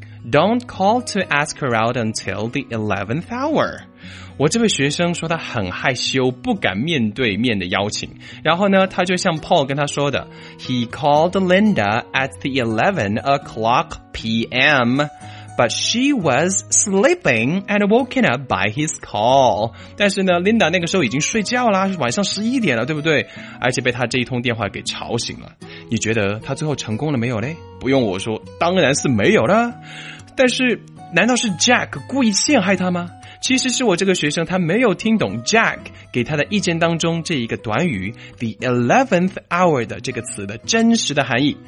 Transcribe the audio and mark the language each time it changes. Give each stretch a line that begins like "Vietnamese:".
English: Don't call to ask her out until the 11th hour.
Chinese: 我这位学生说他很害羞，不敢面对面的邀请。然后呢，他就像 Paul 跟他说的，
English: He called Linda at the 11 o'clock p.m. But she was sleeping and woken up by his call.
Chinese: 但是呢 ,Linda 那个时候已经睡觉啦，晚上11点了，对不对？而且被他这一通电话给吵醒了。你觉得他最后成功了没有呢？不用我说，当然是没有了。但是难道是 Jack 故意陷害他吗？其实是我这个学生他没有听懂 Jack 给他的意见当中这一个短语 the 11th hour 的这个词的真实的含义。